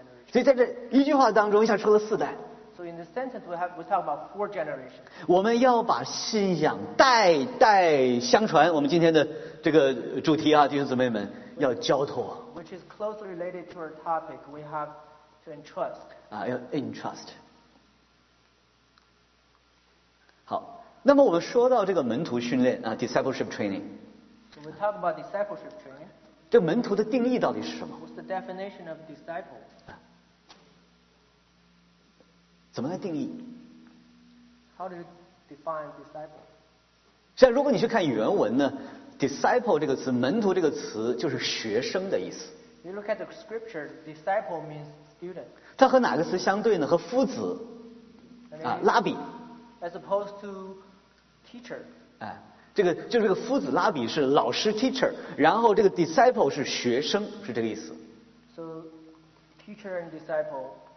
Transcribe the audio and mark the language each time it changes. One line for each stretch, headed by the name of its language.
Chinese: 所以在这一句话当中一下出了四代。
English: So in this sentence, we talk about four generations.
Chinese: 我们要把信仰代代相传。我们今天的这个主题啊，弟兄姊妹们，要交托。
English: Which is closely related to our topic. We have to entrust.
Chinese: 啊，要 entrust。好，那么我们说到这个门徒训练啊 ，discipleship training.
English: So we talk about discipleship training.
Chinese: 这门徒的定义到底是什么
English: ？What's the definition of disciple?
Chinese: 怎么来定义
English: ？How do you define disciple？
Chinese: 实际上，如果你去看原文呢 ，disciple 这个词，门徒这个词就是学生的意思。
English: You look at the scripture, disciple means student.
Chinese: 它和哪个词相对呢？和夫子
English: then,
Chinese: 啊，拉比。
English: As opposed to teacher.
Chinese: 哎、啊，这个就是这个夫子拉比是老师 teacher， 然后这个 disciple 是学生，是这个意思。
English: So teacher and disciple.